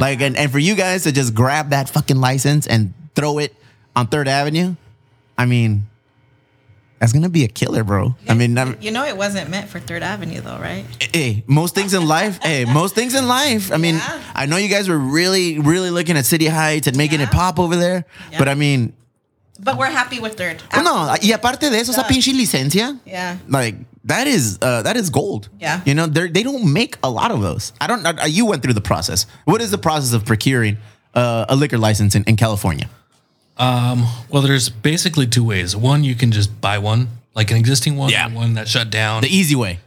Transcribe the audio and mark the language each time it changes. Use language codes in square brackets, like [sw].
[en] Like, and for you guys to just grab that fucking license and throw it on Third Avenue, I mean, that's going to be a killer, bro. You know it wasn't meant for Third Avenue, though, right? Hey, most things in life. I know you guys were really, really looking at City Heights and making it pop over there. Yeah. But I mean... But we're happy with Third. Well, no, [es] y aparte de eso, esa pinche licencia. [en] Yeah. Like, that is gold. Yeah. You know, they don't make a lot of those. You went through the process. What is the process of procuring a liquor license in California? Well, there's basically two ways. One, you can just buy one, like an existing one, yeah. One that shut down. The easy way.